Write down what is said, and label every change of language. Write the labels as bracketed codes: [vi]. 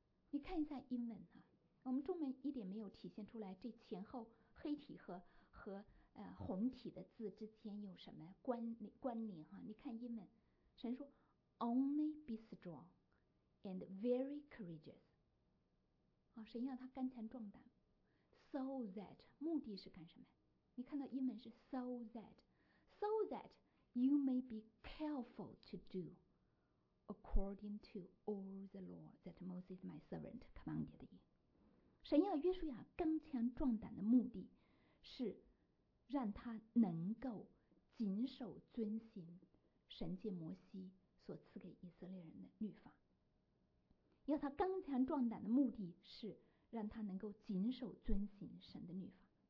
[zh] 你看一下英文啊，我们中文一点没有体现出来这前后黑体和红体的字之间有什么关联啊。你看英文，神说 [en] Only be strong and very courageous、 [zh] 啊、神要他刚强壮胆， So that 目的是干什么？你看到英文是 [en] So that you may be careful to doAccording to all the law that Moses my servant commanded you. [zh] 神要约书亚刚强壮胆的目的是让他能够谨守遵行神借摩西所赐给以色列人的律法。要他刚强壮胆的目的是让他能够谨守遵行神的律法。